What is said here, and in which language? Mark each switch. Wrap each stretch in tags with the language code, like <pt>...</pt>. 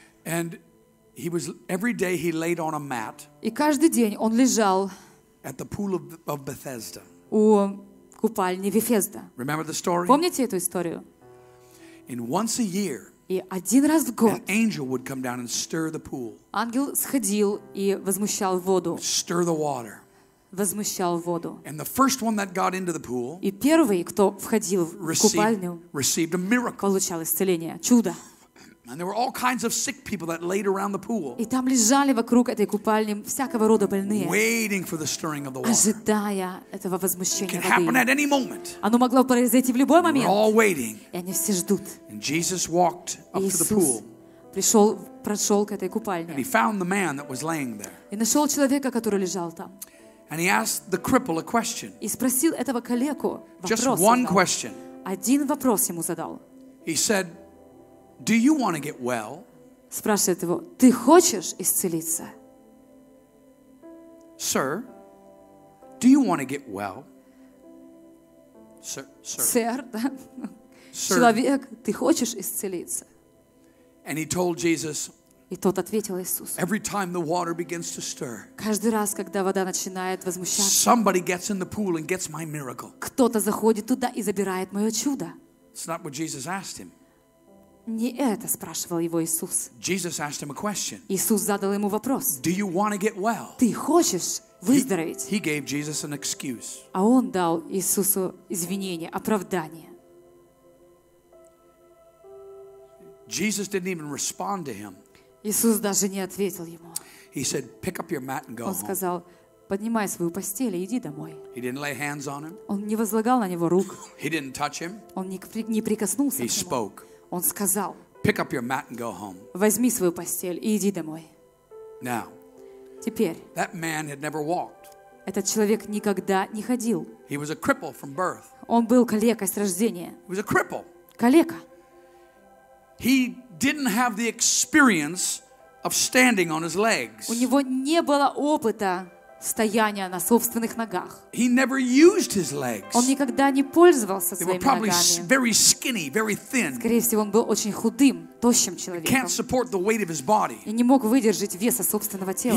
<en>And he was every day he laid on a mat.</en> <ru>И каждый день он лежал</ru> <en>at the pool of Bethesda.</en> <ru>У купальни Вифезда.</ru> <en>Remember the story?</en> <ru>Помните эту историю?</ru> <en>And once a year,</en> <ru>и один раз в год</ru> <en>an angel would come down and stir the pool.</en> <ru>Ангел сходил и возмущал воду.</ru> <en>Stir the water.</en> <ru>Возмущал воду.</ru> <en>And the first one that got into the pool,</en> <ru>и первый, кто входил в купальню,</ru> <en>received a miracle.</en> <ru>Получал исцеление, чудо.</ru> <en>And there were all kinds of sick people that laid around the pool.</en> <ru>И там лежали вокруг этой купальни всякого рода больные.</ru> <en>Waiting for the stirring of the water.</en> <ru>Ожидая этого возмущения воды.</ru> <en>It can happen at any moment.</en> <ru>Оно могло произойти в любой момент.</ru> <en>We're all waiting.</en> <ru>И они все ждут.</ru> <en>And Jesus walked up</en> <ru>Иисус</ru> <en>to the pool.</en> <ru>Пришел, прошел к этой купальне.</ru> <en>And he found the man that was laying there.</en> <ru>И нашел человека, который лежал там.</ru> <en>And he asked the cripple a question.</en> <ru>И спросил этого калеку вопрос.</ru> <en>Just one question.</en> <ru>Один вопрос ему задал.</ru> <en>He said, Do you want to get well?</en> <ru>Спрашивает его, ты хочешь исцелиться?</ru> <en>Sir, do you want to get well? Sir,</en> <ru>да? Sir. Человек, ты хочешь исцелиться?</ru> <en>And he told Jesus,</en> <ru>и тот ответил Иисусу,</ru> <en>every time the water begins to stir,</en> <ru>каждый раз, когда вода начинает возмущаться,</ru> <en>somebody gets in the pool and gets my miracle.</en> <ru>Кто-то заходит туда и забирает мое чудо.</ru> <en>It's not what Jesus asked him.</en> <ru>Не это спрашивал его Иисус.</ru> <en>Jesus asked him a question.</en> <ru>Иисус задал ему вопрос.</ru> <en>Do you want to get well?</en> <ru>Ты хочешь выздороветь?</ru> <en>He gave Jesus an excuse.</en> <ru>А он дал Иисусу извинение, оправдание.</ru> <en>Jesus didn't even respond to him.</en> <ru>Иисус даже не ответил ему.</ru> <en>He said, pick up your mat and go home.</en> <ru>Он сказал, поднимай свою постель и иди домой.</ru> <en>He didn't lay hands on him.</en> <ru>Он не возлагал на него рук.</ru> <en>He didn't touch him.</en> <ru>Он не прикоснулся к нему.</ru> <en>He spoke.</en> <ru>Он сказал,</ru> <en>Pick up your mat and go home.</en> <ru>Возьми свою постель и иди домой.</ru> <en>Now,</en> <ru>теперь,</ru> <en>that man had never walked.</en> <ru>Этот человек никогда не ходил.</ru> <en>He was a cripple from birth.</en> <ru>Он был калекой с рождения.</ru> <en>He was a cripple.</en> <ru>Калека.</ru> <en>He didn't have the experience of standing on his legs.</en> <ru>У него не было опыта стояния на собственных ногах.</ru> <en>He never used his legs.</en> <ru>Он никогда не пользовался своими ногами.</ru> <en>They were probably very skinny, very thin.</en> <ru>Скорее всего, он был очень худым, тощим человеком.</ru> <en>Can't support the weight of his body.</en> <ru>И не мог выдержать веса собственного тела.</ru>